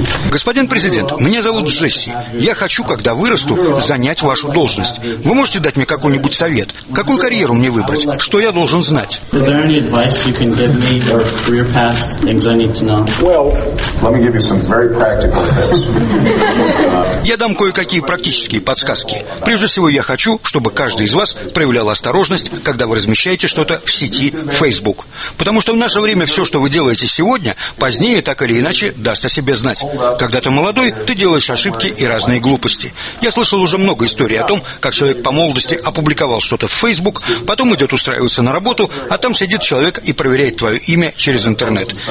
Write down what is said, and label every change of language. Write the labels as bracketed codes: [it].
[ru] Господин президент, меня зовут Джесси. Я хочу, когда вырасту, занять вашу должность. Вы можете дать мне какой-нибудь совет? Какую карьеру мне выбрать? Что я должен знать? [en] Is there any advice you can give me or career path, things I need to know? Well, let me give you some very practical [ru] Я дам кое-какие практические подсказки. Прежде всего, я хочу, чтобы каждый из вас проявлял осторожность, когда вы размещаете что-то в сети Facebook. Потому что в наше время все, что вы делаете сегодня, позднее так или иначе даст о себе знать. Когда ты молодой, ты делаешь ошибки и разные глупости. Я слышал уже много историй о том, как человек по молодости опубликовал что-то в Facebook, потом идет устраиваться на работу, а там сидит человек и проверяет твое имя через интернет.